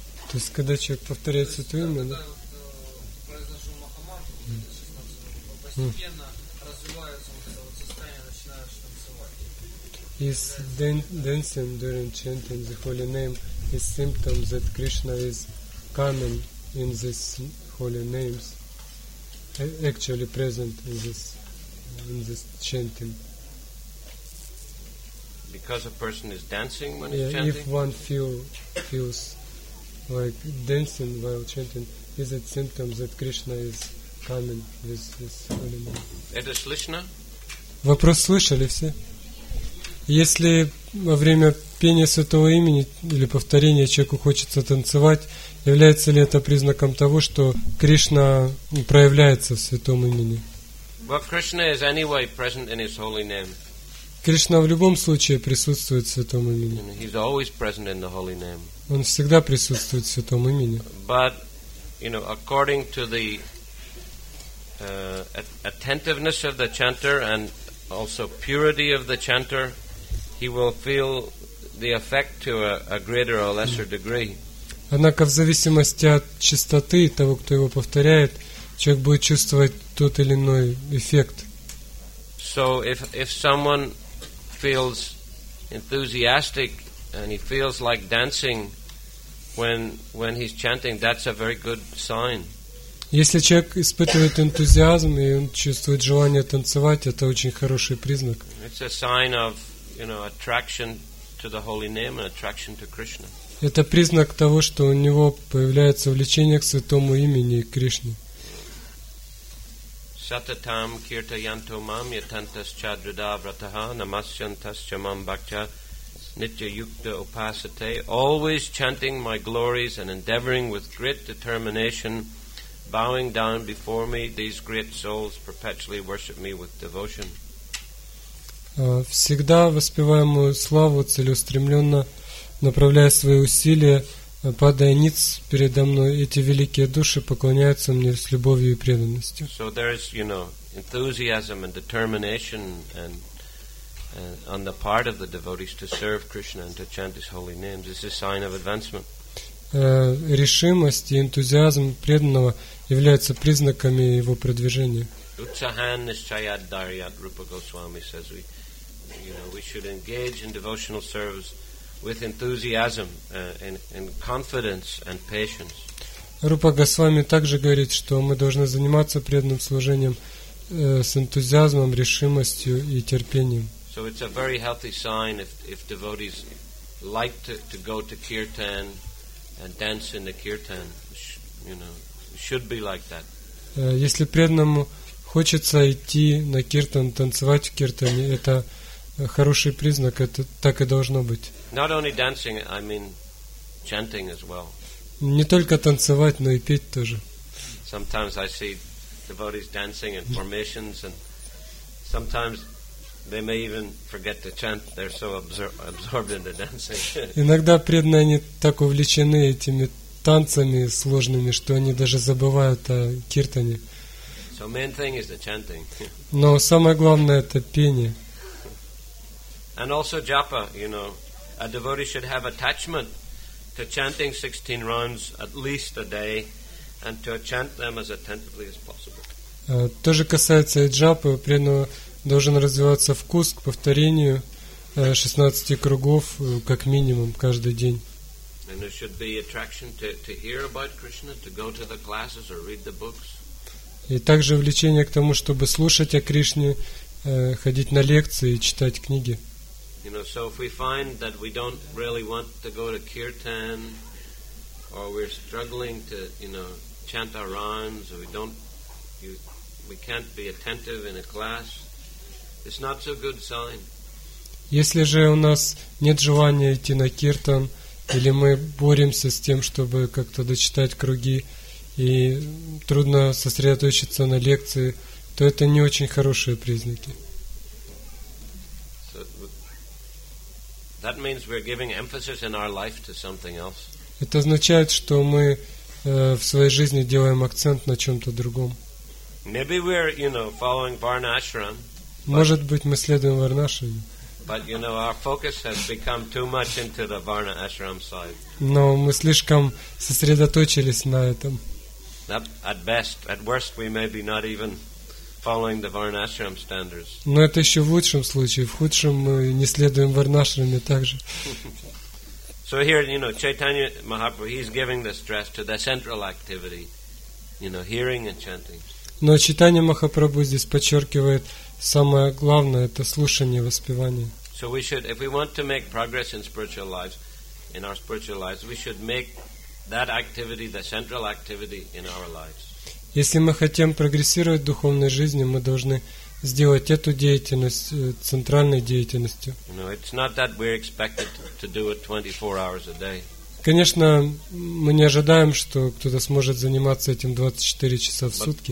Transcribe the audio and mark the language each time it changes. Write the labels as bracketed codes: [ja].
[ru] То есть, когда человек повторяет святое имя, да? Произношу Махамантру, постепенно развивается вот это вот состояние, начинаешь танцевать. [en] Is dancing during chanting the holy name is symptom that Krishna is coming in these holy names, actually present in this chanting. Because a person is dancing when he's chanting? If one feels like dancing while chanting, is it symptom that Krishna is coming with this holy name? [ru] Это слышно? Вопрос слышали все? Если во время пения святого имени или повторения человеку хочется танцевать, является ли это признаком того, что Кришна проявляется в святом имени? [en] Well, Krishna is anyway present in his holy name. [ru] Кришна в любом случае присутствует в святом имени. [en] He's always present in the holy name. [ru] Он всегда присутствует в святом имени. [en] But, you know, according to the attentiveness of the chanter and also purity of the chanter, he will feel the effect to a greater or lesser degree. [ru] Однако в зависимости от чистоты того, кто его повторяет, человек будет чувствовать тот или иной эффект. [en] So if someone feels enthusiastic and he feels like dancing when he's chanting, that's a very good sign. [ru] Если человек испытывает энтузиазм и он чувствует желание танцевать, это очень хороший признак. [en] It's a sign of, you know, attraction to the holy name and attraction to Krishna. [ru] Это признак того, что у него появляется влечение к святому имени Кришне. [sa] Satatam kirtayanto mam yatantas chadrida vrataha namasyantas chamam bhakcha nitya yukta upasate. [en] Always chanting my glories and endeavoring with great determination, bowing down before me, these great souls perpetually worship me with devotion. [ru] Всегда воспевая мою славу, целеустремленно направляя свои усилия, падая ниц передо мной, эти великие души поклоняются мне с любовью и преданностью. [en] So there is, you know, enthusiasm and determination and on the part of the devotees to serve Krishna and to chant his holy names. This is a sign of advancement. [ru] Решимость и энтузиазм преданного являются признаками его продвижения. [sa] Utsahan nischayat daryat, [en] Rupa Goswami says, we, you know, we should engage in devotional service with enthusiasm and confidence and patience. [ru] Рупа Госвами также говорит, что мы должны заниматься преданным служением с энтузиазмом, решимостью и терпением. [en] So it's a very healthy sign if devotees like to go to kirtan and dance in the kirtan, you know, should be like that. [ru] Если преданному хочется идти на киртан, танцевать в киртане, это хороший признак, это так и должно быть. [en] Not only dancing, I mean chanting as well. [ru] Не только танцевать, но и петь тоже. [en] Sometimes I see devotees dancing in formations, and sometimes they may even forget to chant. They're so absorbed in the dancing. [ru] Иногда преданные они так увлечены этими танцами сложными, что они даже забывают о киртане. [en] So main thing is the chanting. [ru] Но самое главное — это пение. [en] And also japa, you know, a devotee should have attachment to chanting 16 rounds at least a day and to chant them as attentively as possible. [ru] То же касается и джапы, преданного должен развиваться вкус к повторению 16 кругов как минимум каждый день. [en] And there should be attraction to hear about Krishna, to go to the classes or read the books. [ru] И также влечение к тому, чтобы слушать о Кришне, ходить на лекции и читать книги. [en] You know, so if we find that we don't really want to go to kirtan, or we're struggling to, you know, chant our rounds, or we can't be attentive in a class, it's not so good sign. [ru] Если же у нас нет желания идти на киртан, или мы боремся с тем, чтобы как-то дочитать круги, и трудно сосредоточиться на лекции, то это не очень хорошие признаки. [en] That means we're giving emphasis in our life to something else. [ru] Это означает, что мы в своей жизни делаем акцент на чем-то другом. [en] Maybe we're, you know, following Varnashram. [ru] Может быть, мы следуем Варнашраме. [en] But you know, our focus has become too much into the Varnashram side. [ru] Но мы слишком сосредоточились на этом. [en] At best, at worst, we may be not even following the Varnashram standards. [ru] Но это еще в лучшем случае. В худшем мы не следуем Варнашраме также. [en] So here, you know, Chaitanya Mahaprabhu, he's giving the stress to the central activity, you know, hearing and chanting. [ru] Но Чайтанья Махапрабху здесь подчеркивает самое главное — это слушание, воспевание. [en] So we should, if we want to make progress in spiritual lives, in our spiritual lives, we should make that activity the central activity in our lives. [ru] Если мы хотим прогрессировать в духовной жизни, мы должны сделать эту деятельность центральной деятельностью. [en] You know, it's not that we're expected to do it 24 hours a day. [ru] Конечно, мы не ожидаем, что кто-то сможет заниматься этим 24 часа в сутки.